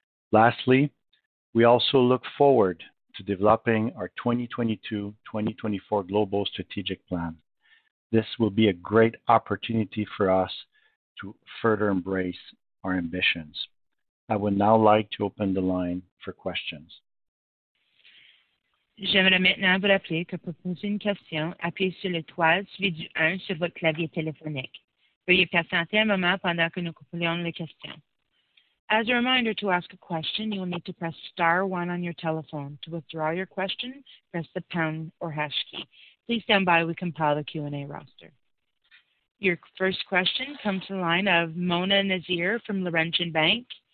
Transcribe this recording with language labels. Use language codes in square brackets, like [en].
[en] Lastly, we also look forward to developing our 2022-2024 Global Strategic Plan. This will be a great opportunity for us to further embrace our ambitions. I would now like to open the line for questions. [fr] J'aimerais maintenant vous rappeler que pour poser une question, appuyez sur l'étoile suivi du 1 sur votre clavier téléphonique. Veuillez patienter un moment pendant que nous complétons les questions. [en] As a reminder, to ask a question, you will need to press star 1 on your telephone. To withdraw your question, press the pound or hash key. Please stand by. We compile the Q&A roster. Your first question comes from the line of Mona Nazir from Laurentian Bank.